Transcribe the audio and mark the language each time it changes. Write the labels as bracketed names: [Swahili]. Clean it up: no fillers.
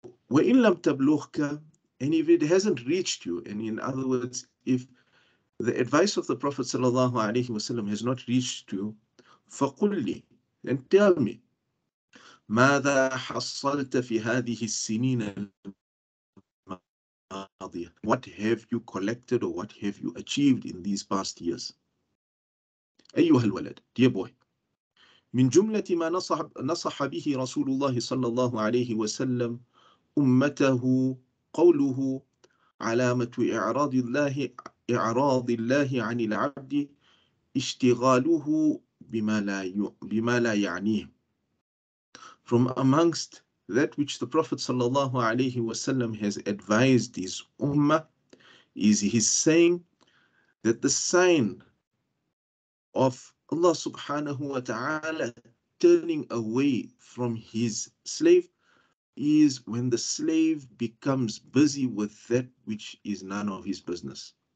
[Arabic] Wa in lam tablughka, [English] and if it hasn't reached you, and in other words, if the advice of the Prophet sallallahu alaihi wasallam has not reached you, [Arabic] faqulli, [English] then tell me, [Arabic] ماذا حصلت في هذه السنين الماضية? [English] What have you collected or what have you achieved in these past years? [Arabic] أيها الولد, [English] dear boy, [Arabic] من جملة ما نصح به رسول الله صلى الله عليه وسلم أمته قوله علامة إعراض الله عن العبد اشتغاله بما لا يعنيه. [English] From amongst that which the Prophet sallallahu alayhi wasallam has advised his ummah is his saying that the sign of Allah subhanahu wa ta'ala turning away from his slave is when the slave becomes busy with that which is none of his business.